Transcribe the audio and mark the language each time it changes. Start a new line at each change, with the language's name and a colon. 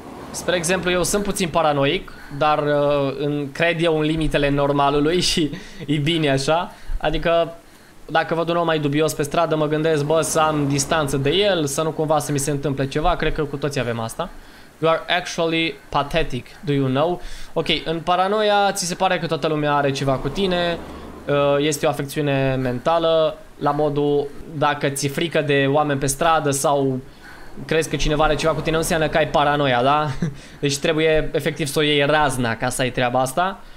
Romanian: Spre exemplu, eu sunt puțin paranoic, dar cred eu în limitele normalului și e bine așa. Adică dacă văd un om mai dubios pe stradă, mă gândesc, bă, să am distanță de el, să nu cumva să mi se întâmple ceva. Cred că cu toții avem asta.
English: You are actually pathetic, do you know?
Romanian: Ok, în paranoia ți se pare că toată lumea are ceva cu tine, este o afecțiune mentală, la modul dacă ți-e frică de oameni pe stradă sau crezi că cineva are ceva cu tine, nu înseamnă că ai paranoia, da? Deci trebuie efectiv să o iei razna ca să ai treaba asta.